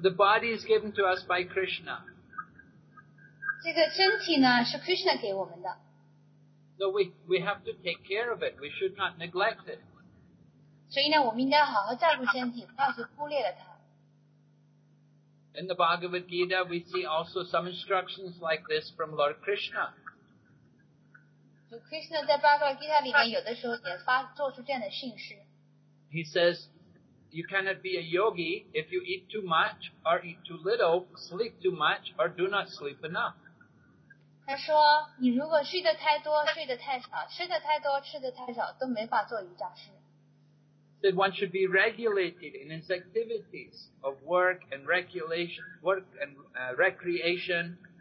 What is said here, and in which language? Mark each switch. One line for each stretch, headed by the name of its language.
English: The body is given to us by Krishna.
Chinese: 这个身体呢是 Krishna 给我们的。So
English: we have to take care of it. We should not neglect it.
Chinese: 所以呢，我们应该好好照顾身体，不要去忽略了它。In
English: the Bhagavad Gita, we see also some instructions like this from Lord Krishna.
Chinese: Krishna 在《巴格达·吉塔》里面，有的时候也发做出这样的训示。
English: He says, "You cannot be a yogi if you eat too much or eat too little, sleep too much or do not sleep enough."
Chinese: 他说，你如果睡得太多、睡得太少、吃得太多、吃得太少，都没法做瑜伽师。
English: That one should be regulated in its activities of work and regulation, work and recreation.